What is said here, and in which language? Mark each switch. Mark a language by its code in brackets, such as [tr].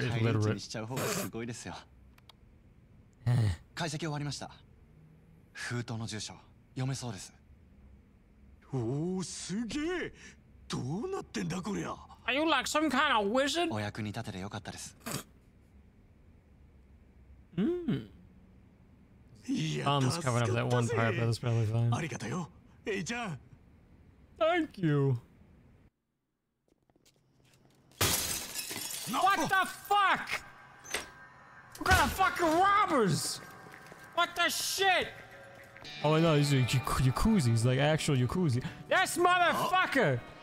[en] illiterate。 [ja] 解析終わりました。封筒の住所、読めそうです。おお、すげえ。どうなってんだこりゃ。 [en] Are you like some kind of wizard? [ja] お役に立ててよかったです。 [en] Thumbs covering up that one part, but it's probably fine. [ja] ありがとうよ、エイちゃん。 [en] Thank you. What the fuck? What kind of fucking robbers? What the shit? Oh, I know, these are Yakuza, like actual Yakuza. Yes, motherfucker!